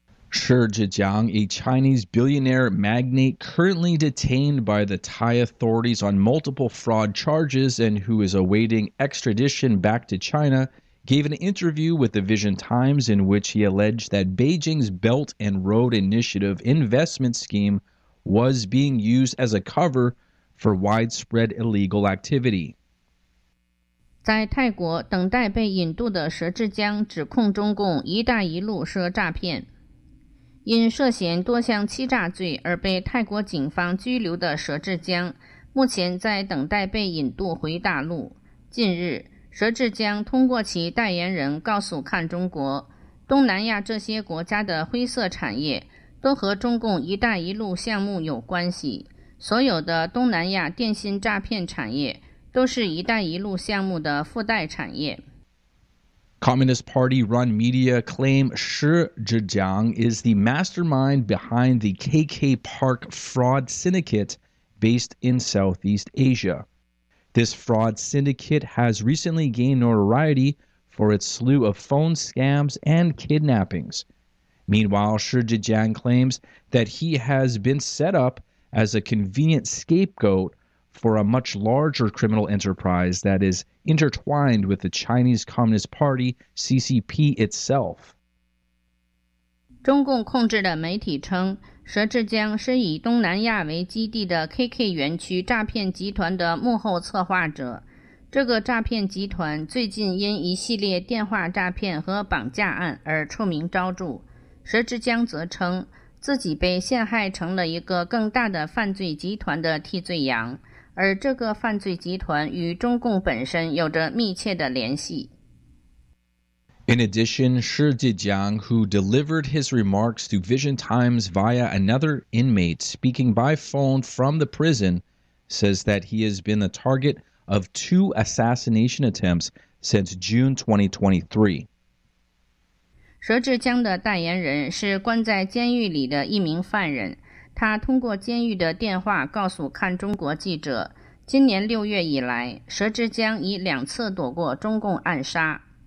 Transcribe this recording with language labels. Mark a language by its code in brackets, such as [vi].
[en] Shir Zhejiang, a Chinese billionaire magnate currently detained by the Thai authorities on multiple fraud charges and who is awaiting extradition back to China, gave an interview with the Vision Times in which he alleged that Beijing's Belt and Road Initiative investment scheme was being used as a cover for widespread illegal activity. [zh] 在泰国等待被引渡的佘志江指控中共“一带一路”涉诈骗。因涉嫌多项欺诈罪而被泰国警方拘留的佘志江目前在等待被引渡回大陆。近日，佘志江通过其代言人告诉看中国，东南亚这些国家的灰色产业都和中共“一带一路”项目有关系，所有的东南亚电信诈骗产业都是一带一路项目的附带产业。 [en] Communist Party-run media claim Shi Zhejiang is the mastermind behind the KK Park fraud syndicate based in Southeast Asia. This fraud syndicate has recently gained notoriety for its slew of phone scams and kidnappings. Meanwhile, Shi Zhejiang claims that he has been set up as a convenient scapegoat for a much larger criminal enterprise that is intertwined with the Chinese Communist Party, CCP, itself. [zh] 中共控制的媒体称，佘志江是以东南亚为基地的 KK 园区诈骗集团的幕后策划者。这个诈骗集团最近因一系列电话诈骗和绑架案而臭名昭著。佘志江则称，自己被陷害成了一个更大的犯罪集团的替罪羊。而这个犯罪集团与中共本身有着密切的联系。 [en] In addition, Shi Zhejiang, who delivered his remarks to Vision Times via another inmate speaking by phone from the prison, says that he has been the target of two assassination attempts since June 2023. [zh] 佘志江的代言人是关在监狱里的一名犯人。他通过监狱的电话告诉看中国记者，今年六月以来，佘志江已两次躲过中共暗杀。